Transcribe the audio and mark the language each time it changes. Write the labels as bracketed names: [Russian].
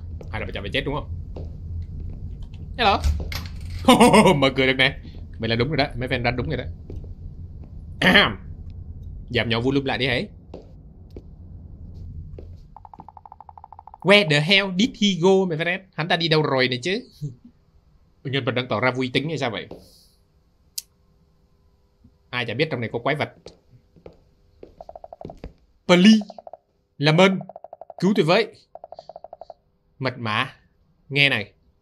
[Vietnamese] Hay là bây giờ mày chết đúng không? Hello. Mở cửa được nè. Mày là đúng rồi đó. Mấy fan đánh đúng rồi đó. Giảm nhỏ volume lại đi hả? [English] Where the hell did he go, my friend? [Vietnamese] Hắn ta đi đâu rồi này chứ? Nhân vật đang tỏ ra vui tính hay sao vậy? Ai chả biết trong này có quái vật. Pali, làm ơn, cứu tôi với. Mật mã, nghe này.